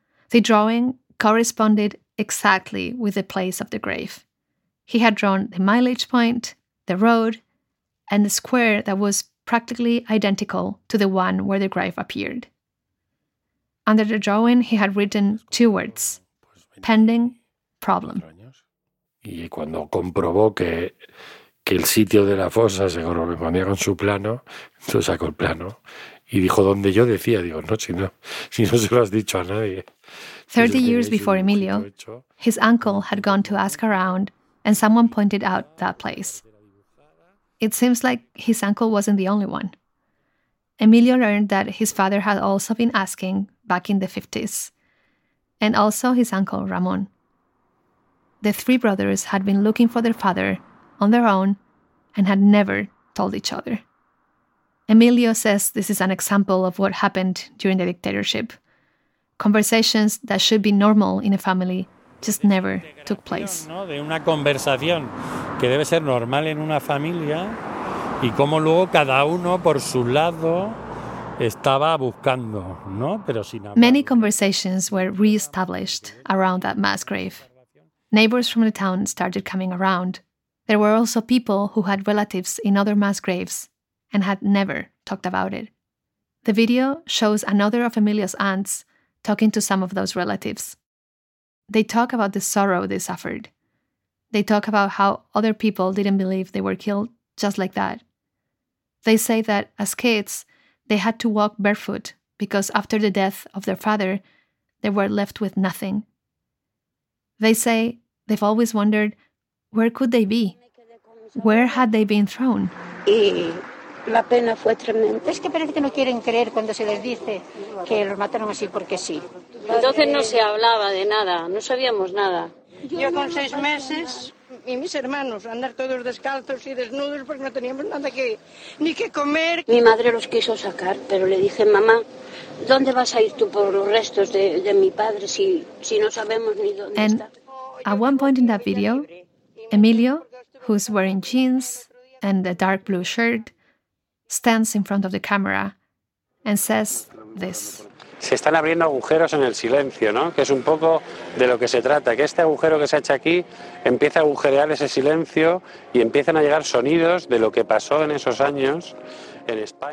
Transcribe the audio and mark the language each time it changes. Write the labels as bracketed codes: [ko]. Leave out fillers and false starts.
[en] The drawing corresponded exactly with the place of the grave. He had drawn the mileage point, the road, and the square that was practically identical to the one where the grave appeared. Under the drawing, he had written two words, pending problem. [es] Y cuando comprobó que el sitio de la fosa se correspondía con su plano, entonces sacó el plano y dijo donde yo decía, digo, no, si no se lo has dicho a nadie. [en] 30 years before Emilio, his uncle had gone to ask around and someone pointed out that place. It seems like his uncle wasn't the only one. Emilio learned that his father had also been asking back in the 50s, and also his uncle Ramon. The three brothers had been looking for their father on their own and had never told each other. Emilio says this is an example of what happened during the dictatorship. Conversations that should be normal in a family just never took place. [es] De una conversación que debe ser normal en una familia y cómo luego cada uno por su lado estaba buscando, ¿no? Pero sin hablar. [en] Many conversations were re-established around that mass grave. Neighbors from the town started coming around. There were also people who had relatives in other mass graves and had never talked about it. The video shows another of Emilio's aunts talking to some of those relatives. They talk about the sorrow they suffered. They talk about how other people didn't believe they were killed just like that. They say that as kids, they had to walk barefoot because after the death of their father, they were left with nothing. They say they've always wondered, where could they be? Where had they been thrown? [es] Y la pena fue tremenda. Es que parece que no quieren creer cuando se les dice que los mataron así porque sí. Entonces no se hablaba de nada, no sabíamos nada. Yo con 6 meses y mis hermanos andar todos descalzos y desnudos porque no teníamos nada que ni que comer. Mi madre los quiso sacar, pero le dije, mamá, ¿dónde vas a ir tú por los restos de mi padre si no sabemos ni dónde [en] and [es] está? [en] At one point in that video, Emilio, who's wearing jeans and a dark blue shirt, stands in front of the camera and says this. [es] Se están abriendo agujeros en el silencio, ¿no? Que es un poco de lo que se trata, que este agujero que se ha hecho aquí empieza a agujerear ese silencio y empiezan a llegar sonidos de lo que pasó en esos años en España.